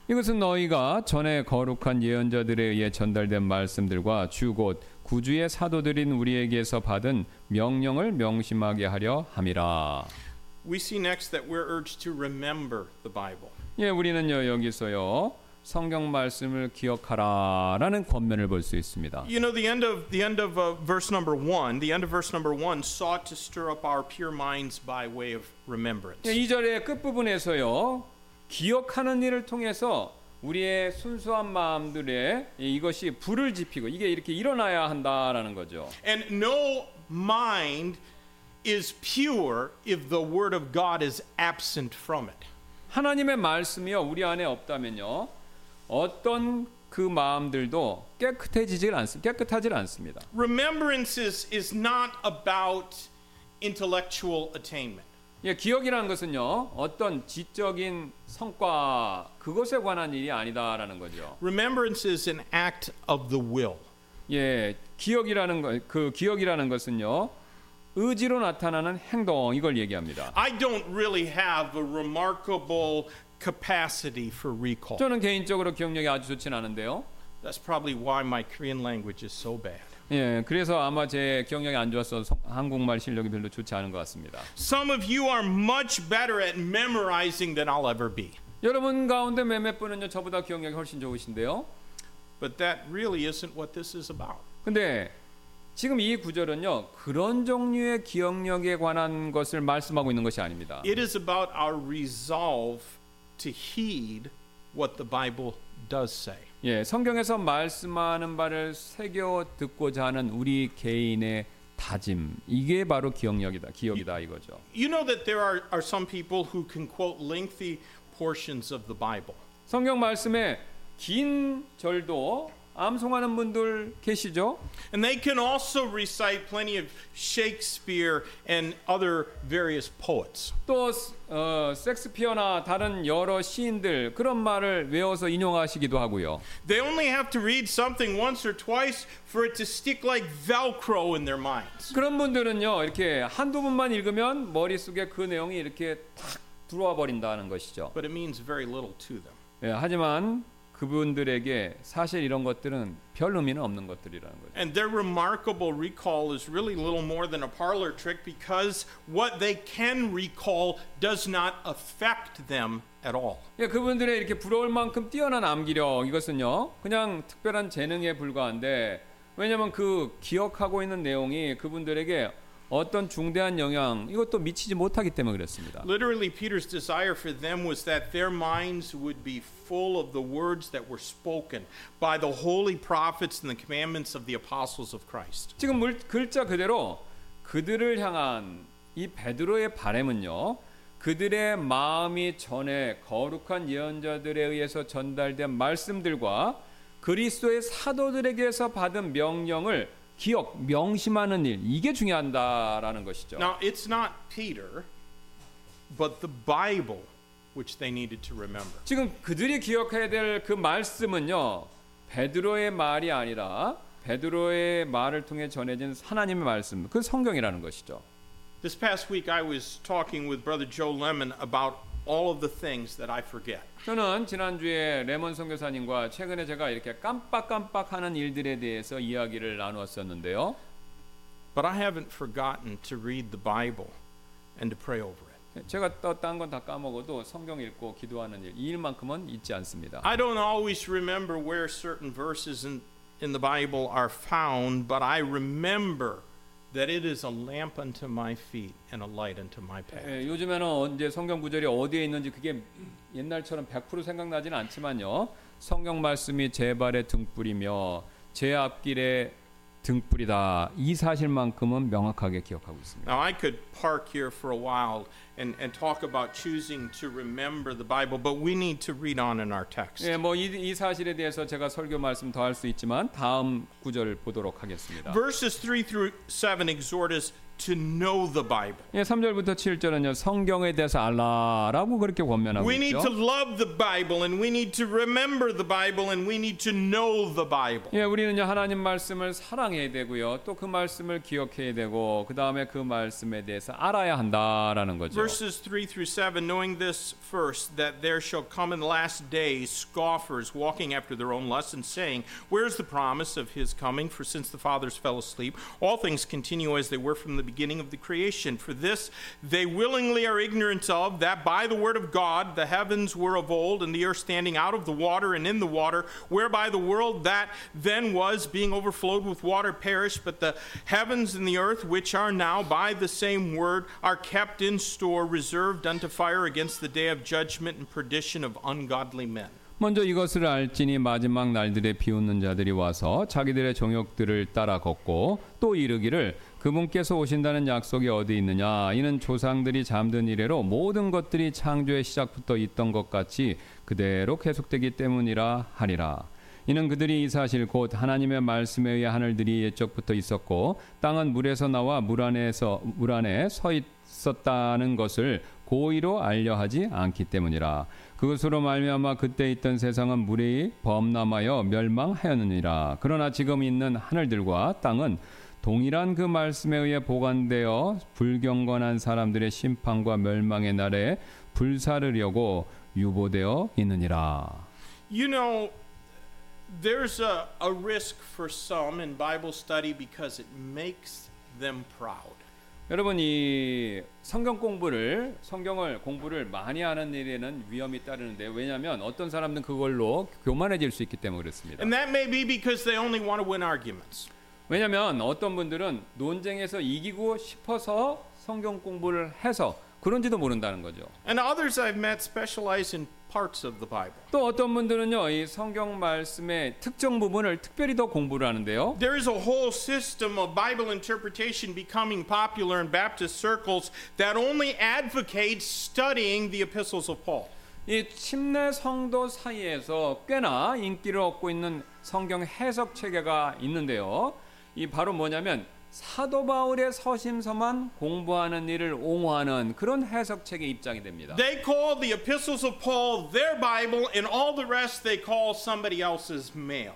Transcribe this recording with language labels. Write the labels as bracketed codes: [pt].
[ko] 이것은 너희가 전에 거룩한 예언자들에 의해 전달된 말씀들과 주 곧 구주의 사도들인 우리에게서 받은 명령을 명심하게 하려 함이라. [en] We see next that we're urged to remember the Bible. [ko] 예, 우리는요 여기서요 성경 말씀을 기억하라라는 권면을 볼 수 있습니다. [en] You know, the end of verse number one, the end of verse number one sought to stir up our pure minds by way of remembrance. [ko] 이 절의 끝 부분에서요 기억하는 일을 통해서 우리의 순수한 마음들에 이것이 불을 지피고 이게 이렇게 일어나야 한다라는 거죠. [en] And no mind is pure if the word of God is absent from it. [ko] 하나님의 말씀이요 우리 안에 없다면요 어떤 그 마음들도 깨끗하질 않습니다. [en] Remembrance is not about intellectual attainment. [ko] 예, 기억이라는 것은요 어떤 지적인 성과 그것에 관한 일이 아니다라는 거죠. [en] Remembrance is an act of the will. [ko] 예, 기억이라는 것은요 의지로 나타나는 행동 이걸 얘기합니다. [en] I don't really have a remarkable capacity for recall. [ko] 저는 개인적으로 기억력이 아주 좋진 않은데요. [en] That's probably why my Korean language is so bad. [ko] 예, 그래서 아마 제 기억력이 안 좋아서 한국말 실력이 별로 좋지 않은 것 같습니다. [en] Some of you are much better at memorizing than I'll ever be. [ko] 여러분 가운데 몇몇 분은요 저보다 기억력이 훨씬 좋으신데요. [en] But that really isn't what this is about. [ko] 근데 지금 이 구절은요 그런 종류의 기억력에 관한 것을 말씀하고 있는 것이 아닙니다. [en] It is about our resolve to heed what the Bible does say. [ko] 예, 성경에서 말씀하는 바를 새겨 듣고자 하는 우리 개인의 다짐 이게 바로 기억이다 이거죠. [en] You know that there are some people who can quote lengthy portions of the Bible. [ko] 성경 말씀에 긴 절도 암송하는 분들 계시죠? [en] And they can also recite plenty of Shakespeare and other various poets. [ko] 또 섹스피어나 다른 여러 시인들 그런 말을 외워서 인용하시기도 하고요. [en] They only have to read something once or twice for it to stick like Velcro in their minds. [ko] 그런 분들은요, 이렇게 한두 번만 읽으면 머릿속에 그 내용이 이렇게 탁 들어와 버린다는 것이죠. [en] But it means very little to them. [ko] 예, 하지만 그분들에게 사실 이런 것들은 별 의미는 없는 것들이라는 거죠. [en] And their remarkable recall is really little more than a parlor trick because what they can recall does not affect them at all. [ko] 예, 그분들의 이렇게 부러울 만큼 뛰어난 암기력 이것은요 그냥 특별한 재능에 불과한데 왜냐하면 그 기억하고 있는 내용이 그분들에게 어떤 중대한 영향 이것도 미치지 못하기 때문에 그랬습니다. [en] Literally Peter's desire for them was that their minds would be full of the words that were spoken by the holy prophets and the commandments of the apostles of Christ. [ko] 지금 글자 그대로 그들을 향한 이 베드로의 바람은요. 그들의 마음이 전에 거룩한 예언자들에 의해서 전달된 말씀들과 그리스도의 사도들에게서 받은 명령을 기억, 명심하는 일, 이게 중요한다라는 것이죠. [en] Now it's not Peter, but the Bible which they needed to remember. [ko] 지금 그들이 기억해야 될 그 말씀은요, 베드로의 말이 아니라 베드로의 말을 통해 전해진 하나님의 말씀, 그 성경이라는 것이죠. [en] This past week I was talking with Brother Joe Lemon about all of the things that I forget. [ko] 저는 지난주에 레몬 선교사님과 최근에 제가 이렇게 깜빡깜빡하는 일들에 대해서 이야기를 나누었었는데요. [en] But I haven't forgotten to read the Bible and to pray over it. [ko] 제가 또 딴 건 다 까먹어도 성경 읽고 기도하는 일 이 일만큼은 잊지 않습니다. [en] I don't always remember where certain verses in the Bible are found, but I remember that it is a lamp unto my feet and a light unto my path. [ko] 예, 요즘에는 언제 성경 구절이 어디에 있는지 그게 옛날처럼 100% 생각나지는 않지만요. 성경 말씀이 제 발의 등불이며 제 앞길의 등불이다. 이 사실만큼은 명확하게 기억하고 있습니다. [en] Now I could park here for a while and talk about choosing to remember the Bible, but we need to read on in our text. [ko] 예, 뭐 이 사실에 대해서 제가 설교 말씀 더 할 수 있지만 다음 구절을 보도록 하겠습니다. [en] Verses 3 through 7 exhort us to know the Bible. [ko] 예, 3절부터 7절은요, 성경에 대해서 알라라고 그렇게 권면하고 있죠. [en] We need to love the Bible and we need to remember the Bible and we need to know the Bible. [ko] 예, 우리는요, 하나님 말씀을 사랑해야 되고요. 또 그 말씀을 기억해야 되고 그다음에 그 말씀에 대해서 알아야 한다라는 거죠. [en] Verses 3 through 7 knowing this first that there shall come in the last days scoffers walking after their own lusts and saying, where is the promise of his coming? For since the fathers fell asleep, all things continue as they were from the beginning of the creation. For this they willingly are ignorant of, that by the word of God the heavens were of old, and the earth standing out of the water and in the water, whereby the world that then was being overflowed with water perished, but the heavens and the earth which are now by the same word are kept in store, reserved unto fire against the day of judgment and perdition of ungodly men. [ko] 먼저 이것을 알지니 마지막 날들에 비웃는 자들이 와서 자기들의 정욕들을 따라 걷고 또 이르기를 그분께서 오신다는 약속이 어디 있느냐? 이는 조상들이 잠든 이래로 모든 것들이 창조의 시작부터 있던 것 같이 그대로 계속되기 때문이라 하리라. 이는 그들이 이 사실 곧 하나님의 말씀에 의해 하늘들이 옛적부터 있었고 땅은 물에서 나와 물 안에 서 있었다는 것을 고의로 알려하지 않기 때문이라. 그것으로 말미암아 그때 있던 세상은 물이 범람하여 멸망하였느니라. 그러나 지금 있는 하늘들과 땅은 동일한 그 말씀에 의해 보관되어 불경건한 사람들의 심판과 멸망의 날에 불사르려고 유보되어 있느니라. [en] You know, there's a risk for some in Bible study because it makes them proud. [ko] 여러분, 이 성경 공부를 많이 하는 일에는 위험이 따르는데 왜냐하면 어떤 사람들은 그걸로 교만해질 수 있기 때문에 그렇습니다. [en] And that may be because they only want to win arguments. [ko] 왜냐하면 어떤 분들은 논쟁에서 이기고 싶어서 성경 공부를 해서 그런지도 모른다는 거죠. [en] And others I've met specialize in parts of the Bible. [ko] 또 어떤 분들은요, 이 성경 말씀의 특정 부분을 특별히 더 공부를 하는데요. [en] There is a whole system of Bible interpretation becoming popular in Baptist circles that only advocates studying the epistles of Paul. [ko] 이 침례 성도 사이에서 꽤나 인기를 얻고 있는 성경 해석 체계가 있는데요. 이 바로 뭐냐면 사도 바울의 서신서만 공부하는 일을 옹호하는 그런 해석책의 입장이 됩니다. [en] They call the epistles of Paul their Bible and all the rest they call somebody else's mail.